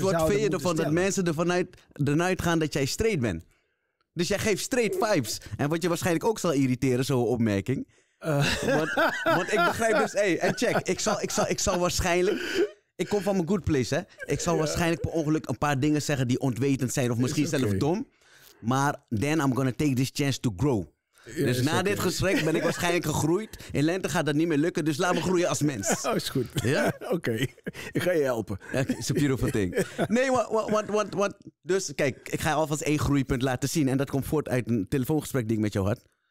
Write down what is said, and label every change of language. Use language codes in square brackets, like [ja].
[nl] Dus wat vind je ervan dat mensen ervan uit gaan dat jij straight bent? Dus jij geeft straight vibes. En wat je waarschijnlijk ook zal irriteren, zo'n opmerking. Want ik begrijp dus, en check, ik zal waarschijnlijk, ik kom van mijn [en] good place, [nl] hè. Ik zal waarschijnlijk per ongeluk een paar dingen zeggen die ontwetend zijn of misschien zelf dom. [en] Maar then I'm gonna take this chance to grow. [nl] Dus na dit gesprek ben ik waarschijnlijk gegroeid. In lente gaat dat niet meer lukken, dus laat me groeien als mens. Oh, is goed. Ja? Oké, ik ga je helpen. [en] It's a beautiful thing. [nl] Nee, want, dus kijk, ik ga alvast één groeipunt laten zien. En dat komt voort uit een telefoongesprek die ik met jou had.